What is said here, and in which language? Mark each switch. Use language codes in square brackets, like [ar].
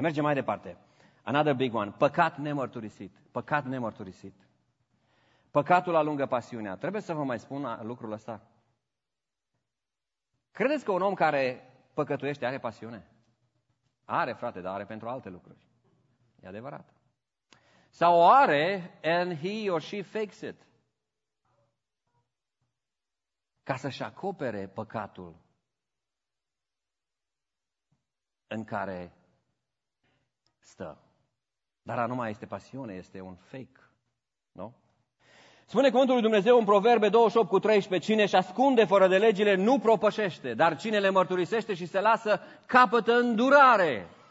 [ro] Mergem mai departe. [en] Another big one. [ro] Păcat nemărturisit. Păcat nemărturisit. Păcatul alungă pasiunea. Trebuie să vă mai spun lucrul ăsta. Credeți că un om care păcătuiește are pasiune? Are, frate, dar are pentru alte lucruri. E adevărat. Sau are, [en] and he or she fakes it. [ro] Ca să-și acopere păcatul în care stă. Dar nu mai este pasiune, este un fake. Nu? Spune cuvântul lui Dumnezeu în Proverbe 28:13, cine își ascunde fără de legile nu propășește, dar cine le mărturisește și se lasă capătă îndurare.